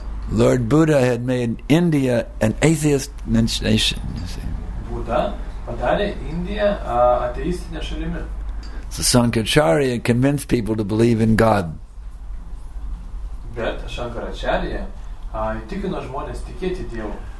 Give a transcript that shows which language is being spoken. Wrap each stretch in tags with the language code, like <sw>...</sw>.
<en>Lord Buddha had made India an atheist nation, you see.</en> <lt>Buddha padarė Indiją ateistinę šalimi.</lt> <en>So Shankaracharya convinced people to believe in God.</en> <lt>Bet Shankaracharya įtikino žmones tikėti Dievu.</lt>